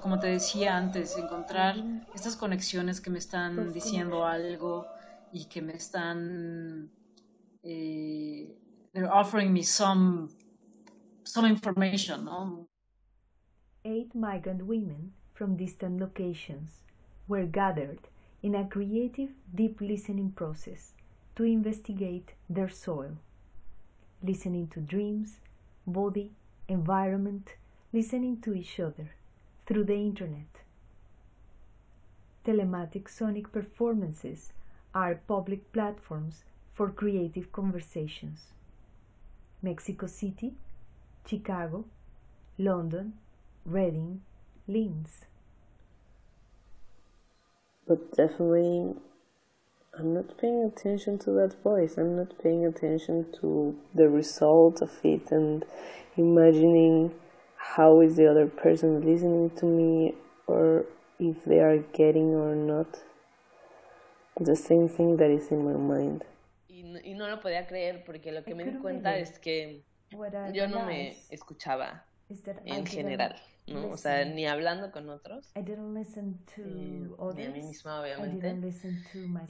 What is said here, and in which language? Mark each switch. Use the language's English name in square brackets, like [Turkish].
[Spanish] Como te decía antes, encontrar estas conexiones que me están diciendo algo y que me están they're offering me some information, no? [English] 8 migrant women from distant locations were gathered in a creative deep listening process to investigate their soil, listening to dreams, body, environment, listening to each other through the internet. Telematic sonic performances are public platforms for creative conversations. Mexico City, Chicago, London, Reading, Linz. But definitely, I'm not paying attention to that voice. I'm not paying attention to the result of it and imagining how is the other person listening to me or if they are getting or not the same thing that is in my mind. [Spanish] Y no lo podía creer porque lo que me di cuenta es que yo no me escuchaba en general, ¿no? O sea, ni hablando con otros. [English] I didn't listen to others. [Spanish] Ni a mí misma, obviamente. [English] I didn't listen to myself.